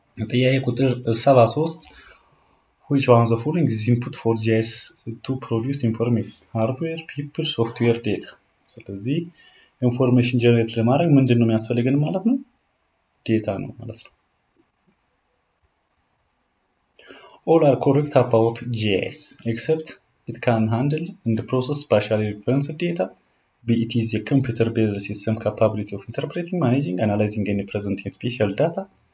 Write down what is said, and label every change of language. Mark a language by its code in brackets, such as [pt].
[am] ጥያቄ ቁጥር 73 [en] which one of the following is input for GIS to produce information? Hardware, people, software, data. [am] ስለዚህ ኢንፎርሜሽን ጀነሬት ለማድረግ ምንድን ነው የሚያስፈልገን ማለት ነው? ዴታ ነው ማለት ነው። [en] All are correct about GIS, except it can handle and process spatially referenced data. B, it is a computer-based system capability of interpreting, managing, analyzing and presenting spatial data.